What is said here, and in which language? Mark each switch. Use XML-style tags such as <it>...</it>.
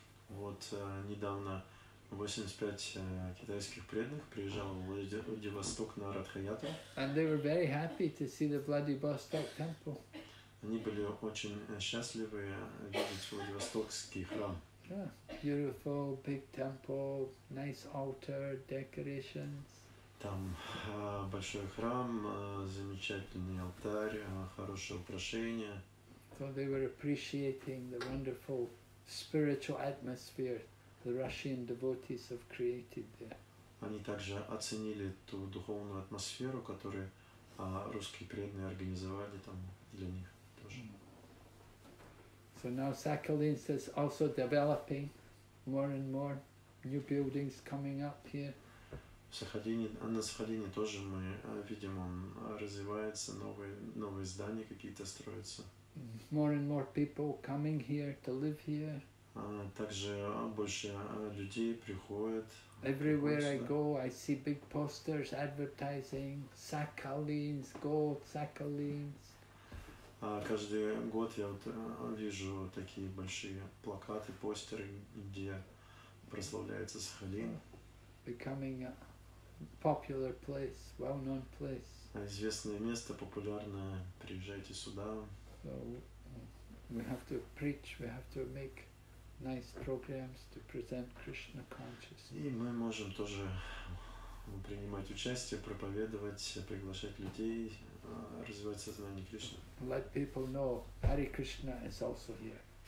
<ru>Вот недавно 85 китайских преданных приезжал в Владивосток на Радхаятру.</ru> <en>And they were very happy to see the Vladivostok temple.</en> <ru>Они были очень счастливы видеть Владивостокский храм.</ru> <en>Yeah, beautiful big temple, nice altar, decorations.</en> <ru>Там большой храм, замечательный алтарь, хорошее украшение.</ru> <en>So they were appreciating the wonderful spiritual atmosphere the Russian devotees have created there.</en> <ru>Они также оценили ту духовную атмосферу, которую русские преданные организовали там для них тоже.</ru> <en>So So now Sakhalin is also developing more and more new buildings coming up here.</en> <ru>На Сахалине тоже мы видим, он развивается, новые здания какие-то строятся.</ru> <en>More and more people coming here to live here.</en> <ru>Также больше людей приходят.</ru> <en>Everywhere I go, I see big posters advertising Sakhalins, gold Sakhalins.</en> <ru>Каждый год я вот вижу такие большие плакаты, постеры, где прославляется Сахалин.</ru> <en>Becoming a popular place, well-known place.</en> <ru>Известное место, популярное. Приезжайте сюда.</ru> <en>So we have to preach, we have to make nice programs to present Krishna consciousness.</en> <ru>И мы можем тоже принимать участие, проповедовать, приглашать людей, развивать сознание Кришны.</ru> <en>Let people know Hare Krishna is also here.</en>